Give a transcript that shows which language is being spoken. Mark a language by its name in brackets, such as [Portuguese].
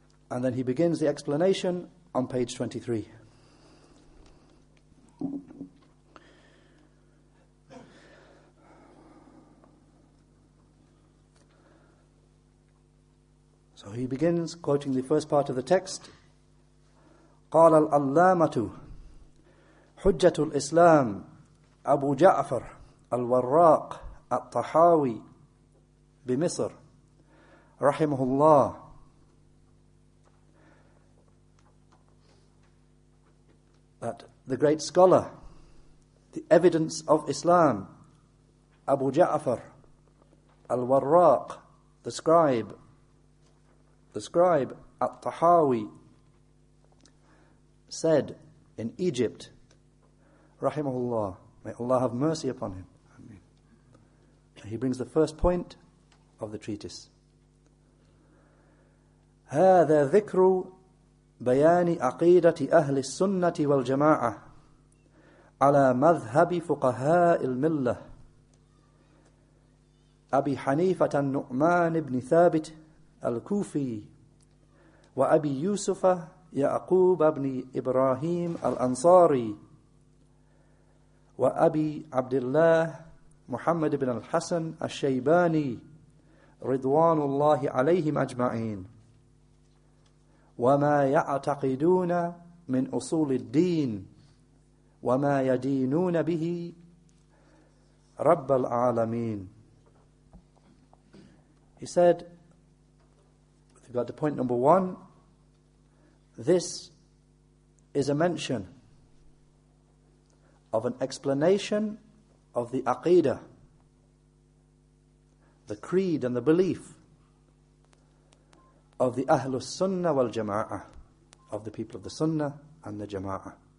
[English] And then he begins the explanation on page 23. So he begins quoting the first part of the text. [Arabic] قال الألامة حجة الإسلام أبو جعفر الوراق الطحاوي بمصر رحمه الله. [English] That the great scholar, the evidence of Islam, Abu Ja'far, al-Warraq, the scribe al-Tahawi, said in Egypt, rahimahullah, may Allah have mercy upon him. Amen. He brings the first point of the treatise. [Arabic] هَذَا ذِكْرُ بيان عقيدة أهل السنة والجماعة على مذهب فقهاء الملة أبي حنيفة النعمان بن ثابت الكوفي وأبي يوسف يعقوب بن إبراهيم الأنصاري وأبي عبد الله محمد بن الحسن الشيباني رضوان الله عليهم أجمعين وما يعتقدون من أصول الدين وما يدينون به رب العالمين. [English] He said, with regard to point number 1, this is a mention of an explanation of the aqidah, the creed and the belief of the Ahlus Sunnah wal Jama'ah, of the people of the Sunnah and the Jama'ah,